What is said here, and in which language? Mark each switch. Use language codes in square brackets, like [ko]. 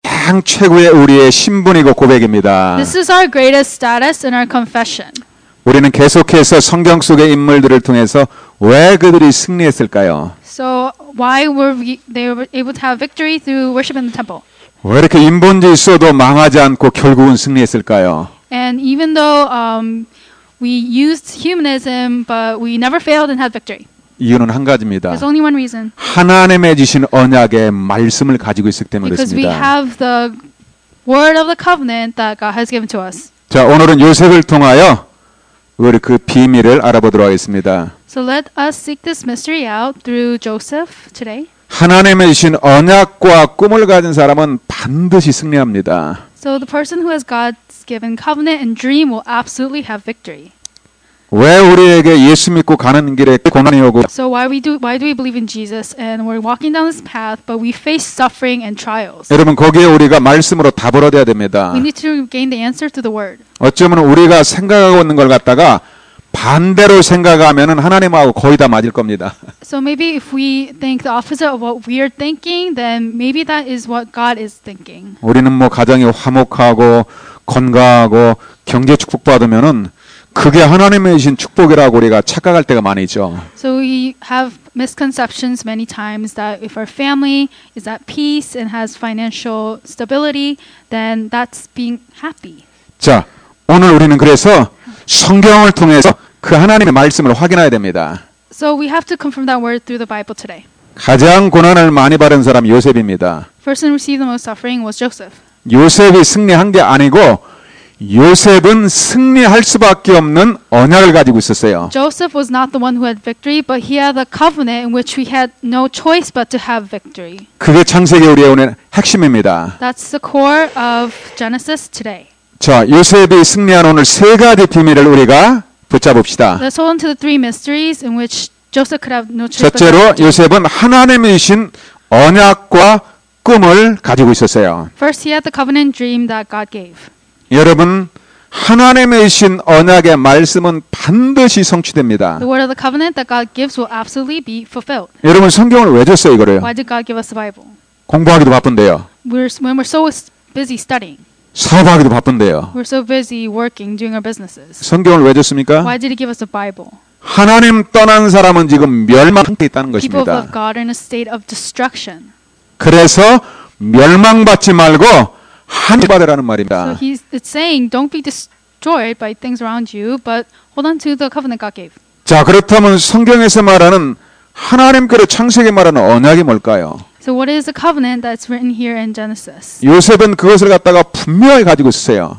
[ko] 가장 최고의 우리의 신분이고 고백입니다. [en] This is our greatest status in our confession. [ko] 우리는 계속해서 성경 속의 인물들을 통해서 왜 그들이 승리했을까요? [en] So why were they able to have victory through worship in the temple? [ko] 왜 이렇게 인본주의 있어도 망하지 않고 결국은 승리했을까요? [en] And even though we used humanism, but we never failed and had victory. [ko] 이유는 한 가지입니다. [en] There's only one reason. [ko] 하나님의 주신 언약의 말씀을 가지고 있기 때문에 그렇습니다. [en] Because we have the word of the covenant that God has given to us. [ko] 자, 오늘은 요셉을 통하여 우리 그 비밀을 알아보도록 하겠습니다. [en] So let us seek this mystery out through Joseph today. [ko] 하나님의 주신 언약과 꿈을 가진 사람은 반드시 승리합니다. [en] So the person who has God's given covenant and dream will absolutely have victory. [ko] 왜 우리에게 예수 믿고 가는 길에 고난이 오고? [en] So why do we believe in Jesus and we're walking down this path, but we face suffering and trials? [ko] 여러분 거기에 우리가 말씀으로 답을 얻어야 됩니다. [en] We need to gain the answer to the word. [ko] 어쩌면 우리가 생각하고 있는 걸 갖다가 반대로 생각하면은 하나님하고 거의 다 맞을 겁니다. [en] So maybe if we think the opposite of what we are thinking, then maybe that is what God is thinking. [ko] 우리는 뭐 가정이 화목하고 건강하고 경제 축복 받으면은 그게 하나님의 주신 축복이라고 우리가 착각할 때가 많이 있죠. [en] So we have misconceptions many times that if our family is at peace and has financial stability, then that's being happy. [ko] 자, 오늘 우리는 그래서 성경을 통해서 그 하나님의 말씀을 확인해야 됩니다. [en] So we have to confirm that word through the Bible today. [ko] 가장 고난을 많이 받은 사람 요셉입니다. [en] Person received the most suffering was Joseph. [ko] 요셉이 승리한 게 아니고 요셉은 승리할 수밖에 없는 언약을 가지고 있었어요. [en] Joseph was not the one who had victory, but he had a covenant in which he had no choice but to have victory. [ko] 그게 창세기 우리의 오늘 핵심입니다. [en] That's the core of Genesis today. [ko] 자, 요셉이 승리한 오늘 세 가지 비밀을 우리가 붙잡읍시다. [en] Let's hold on to the three mysteries in which Joseph could have no choice. [ko] 첫째로 요셉은 하나님이신 언약과 꿈을 가지고 있었어요. [en] First, he had the covenant dream that God gave. [ko] 여러분, 하나님의 주신 언약의 말씀은 반드시 성취됩니다. [en] The word of the covenant that God gives will absolutely be fulfilled. [ko] 여러분, 성경을 왜 줬어요, 이거를요? [en] Why did God give us the Bible? [ko] 공부하기도 바쁜데요. [en] When we're so busy studying. [ko] 사업하기도 바쁜데요. [en] We're so busy working, doing our businesses. [ko] 성경을 왜 줬습니까? [en] Why did he give us the Bible? [ko] 하나님 떠난 사람은 지금 멸망 상태에 있다는 것입니다. [en] People have God in a state of destruction. [ko] 그래서 멸망받지 말고 하나님 받으라는 말입니다. [en] So it's saying don't be destroyed by things around you, but hold on to the covenant God gave. [ko] 자, 그렇다면 성경에서 말하는 하나님께서 창세기 말하는 언약이 뭘까요? [en] So what is the covenant that's written here in Genesis? [ko] 요셉은 그것을 갖다가 분명히 가지고 있었어요.